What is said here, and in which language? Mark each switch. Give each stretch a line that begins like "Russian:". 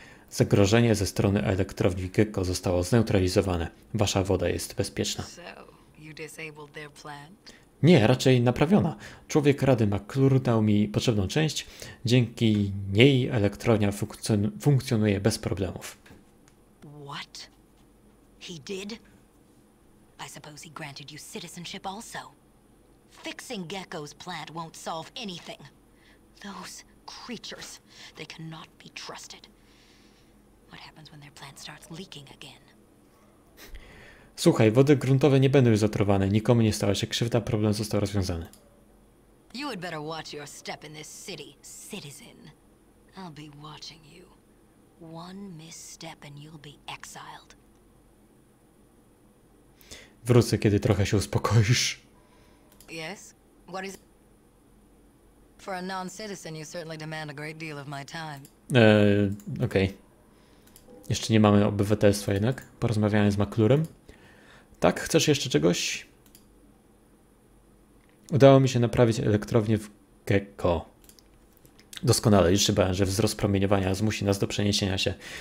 Polish: Zagrożenie ze strony elektrowni Gekko zostało zneutralizowane. Wasza woda jest bezpieczna.
English: So, you disabled their plan?
Polish: Nie, raczej naprawiona. Człowiek Rady McClure dał mi potrzebną część. Dzięki niej elektrownia funkcjonuje bez problemów.
English: What? He did? I suppose he granted you citizenship also. Fixing Gecko's plant won't solve anything. Those creatures, they cannot be trusted. What happens when their plant starts leaking again?
Polish: Słuchaj, wody gruntowe nie będą już zatruwane. Nikomu nie stała się krzywda, problem został rozwiązany.
English: You had better watch your step in this city, citizen. I'll be watching you. One misstep and you'll be exiled.
Polish: Wrócę, kiedy trochę się uspokoisz.
English: Yes? What is... For a non-citizen, you certainly demand a great deal of my time. Okej. Okay.
Polish: Jeszcze nie mamy obywatelstwa jednak. Porozmawiamy z McClurem. Tak, chcesz jeszcze czegoś? Udało mi się naprawić elektrownię w Gekko. Doskonale, już chyba, że wzrost promieniowania zmusi nas do przeniesienia się.